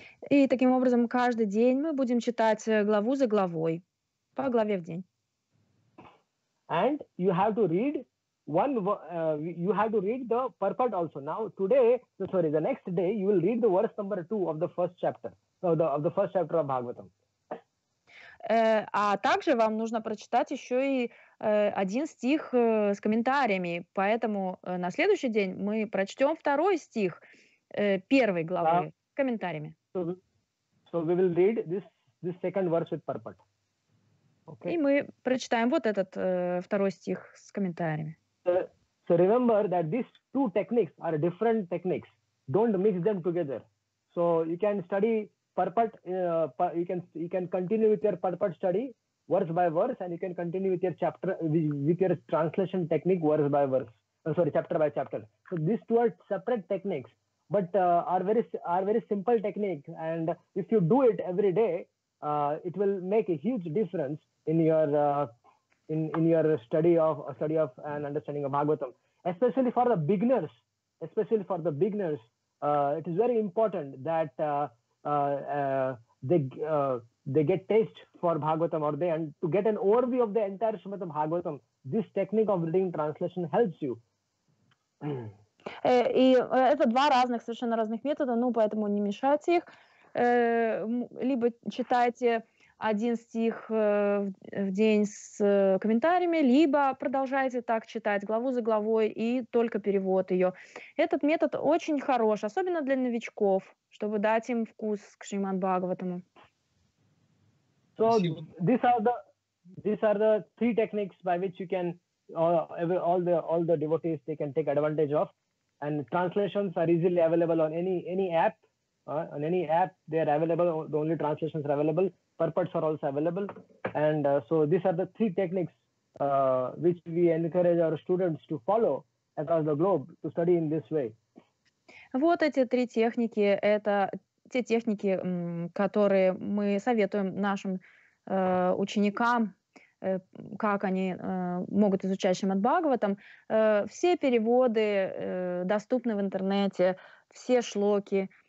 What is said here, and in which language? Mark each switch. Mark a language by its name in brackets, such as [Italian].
[Russian] И таким образом каждый день мы будем читать главу за главой, по главе в день. [English] And you have to read the purport also. Now today, the next day you will read the verse number two of the first chapter. Of the first chapter of Bhagavatam. [Russian] А также вам нужно прочитать еще и один стих с комментариями. Поэтому на следующий день мы прочтем второй стих первой главы с комментариями. [English] So we will read this second verse with purport. [Russian] Okay. И мы прочитаем вот этот второй стих с комментариями. [English] So remember that these two techniques are different techniques. Don't mix them together. So you can study purport, you can continue with your purport study verse by verse, and you can continue with your chapter with your translation technique verse by verse. Chapter by chapter. So these two are separate techniques, but are very simple techniques. And if you do it every day, it will make a huge difference in your study of and understanding of Bhagavatam, especially for the beginners. It is very important that they get taste for Bhagavatam, or they, and to get an overview of the entire Shrimad Bhagavatam, this technique of reading translation helps you. [Russian] И это два разных, совершенно разных метода, ну, поэтому не мешайте их. Либо читайте один стих в день с комментариями, либо продолжаете так читать главу за главой и только перевод ее. Этот метод очень хорош, особенно для новичков, чтобы дать им вкус к Шримад Бхагаватаму. [English] So these are the three techniques by which you can all the devotees they can take advantage of, and translations are easily available on any app. On any app, they are available. The only translations are available. Purports are also available. And so these are the three techniques which we encourage our students to follow across the globe to study in this way. [Russian] Вот эти три техники. Это те техники, которые мы советуем нашим ученикам, как они могут изучать Шримад Бхагаватам. Все переводы доступны в интернете, все шлоки.